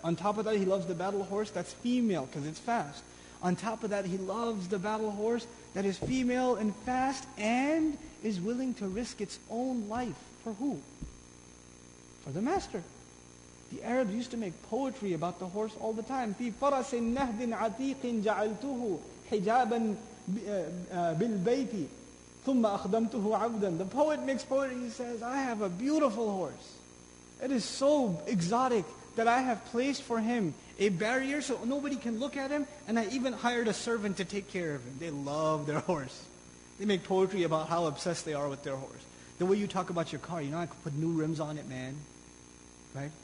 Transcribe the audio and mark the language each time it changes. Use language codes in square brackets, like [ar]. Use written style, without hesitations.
[en] On top of that, he loves the battle horse that's female because it's fast. On top of that, he loves the battle horse that is female and fast and is willing to risk its own life. For who? For the master. The Arabs used to make poetry about the horse all the time. [ar] فِي فَرَسٍ نَهْدٍ عَتِيقٍ جَعَلْتُهُ حِجَابًا بِالْبَيْتِ ثُمَّ أَخْدَمْتُهُ عَبْدًا [en] The poet makes poetry. He says, I have a beautiful horse. It is so exotic that I have placed for him a barrier so nobody can look at him, and I even hired a servant to take care of him. They love their horse. They make poetry about how obsessed they are with their horse. The way you talk about your car, you know, I could put new rims on it, man. Right?